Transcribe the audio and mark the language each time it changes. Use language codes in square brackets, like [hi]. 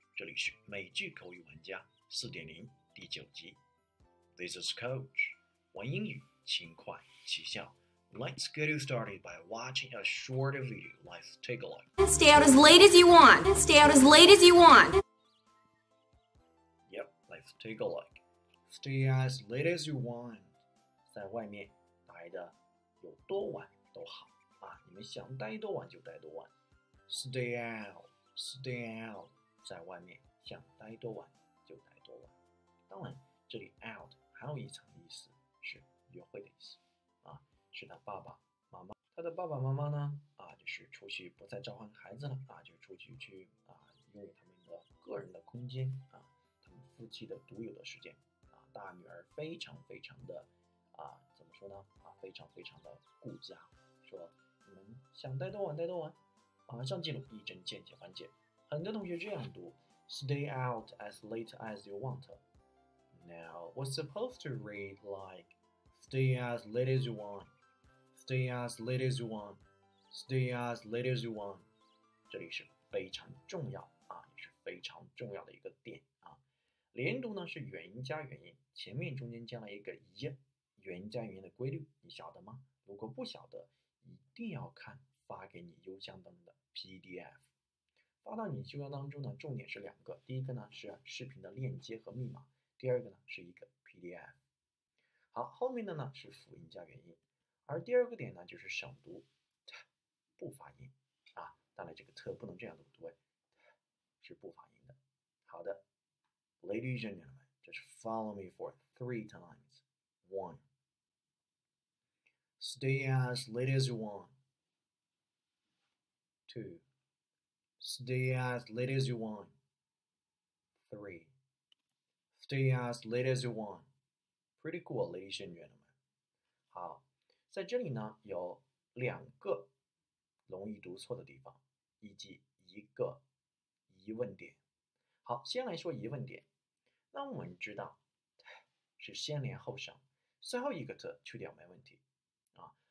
[zh] 这里是美剧口语玩家 4.0 第九集。 [en] This is Coach. [zh] 玩英语，勤快，起效。 [en] Let's get you started by watching a short video. Let's take a look. Stay out as late as you want. Stay out as late as you want. Yep, let's take a look. Stay as late as you want. [zh] 在外面待的有多晚都好啊，你们想待多晚就待多晚。 [en] Stay out, stay out. [zh] 在外面想待多晚就待多晚。当然，这里 out 还有一层意思是约会的意思啊，是他爸爸妈妈。他的爸爸妈妈呢啊，就是出去不再召唤孩子了啊，就出去去啊，拥有他们的个人的空间啊，他们夫妻的独有的时间啊。大女儿非常非常的啊，怎么说呢啊，非常非常的顾家，说你们想待多晚待多晚。马上进入一针见血环节，很多同学这样读 [en] ：Stay out as late as you want. Now we're supposed to read like stay as late as you want, stay as late as you want, stay as late as you want. [zh] 这里是非常重要啊，也是非常重要的一个点啊。连读呢是元音加元音，前面中间加了一个一，元音加元音的规律，你晓得吗？如果不晓得，一定要看发给你邮箱当中的PDF 发到你邮箱当中呢，重点是两个，第一个呢是视频的链接和密码，第二个呢是一个 PDF。好，后面的呢是辅音加元音，而第二个点呢就是省读不发音啊，当然这个特不能这样读，是不发音的。好的， [en] Ladies and gentlemen, just follow me for three times. One, stay as late as you want. Two, stay as late as you want. Three, stay as late as you want. Pretty cool, ladies and gentlemen. [zh] 好，在这里呢有两个容易读错的地方，以及一个疑问点。好，先来说疑问点。那我们知道是先连后省，最后一个字去掉没问题啊。